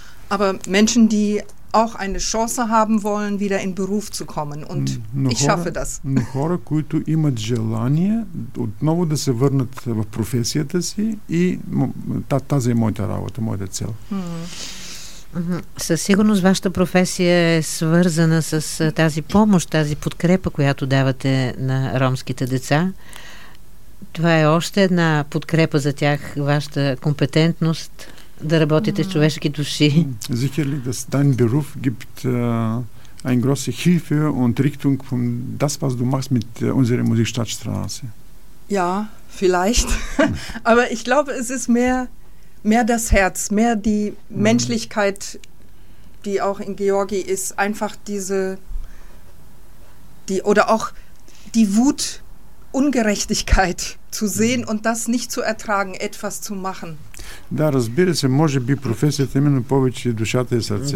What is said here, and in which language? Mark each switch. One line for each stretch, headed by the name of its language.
German: Aber Menschen, die auch eine Chance haben wollen, wieder in Beruf zu kommen. Und
Bulgarian: но
German: ich schaffe das.
Bulgarian: Но хора, които имат желание отново да се върнат в професията си и тази е моята работа, моята цел. Със сигурност вашата професия е свързана с тази помощ, тази подкрепа, която давате на ромските деца. Това е още една подкрепа за тях, вашата компетентност да работите с човешки души.
German: Sicherlich, dass dein Beruf gibt eine große Hilfe und Richtung von das, was du machst mit unserer Musikstadtstraße. Ja, vielleicht. Aber ich glaube, es ist mehr das Herz, mehr die Menschlichkeit, die auch in Georgi ist, einfach oder auch die Wut, Ungerechtigkeit zu sehen und das nicht zu ertragen, etwas zu machen.
Bulgarian: Да, разбира се, може би професията именно повече душата и сърцето.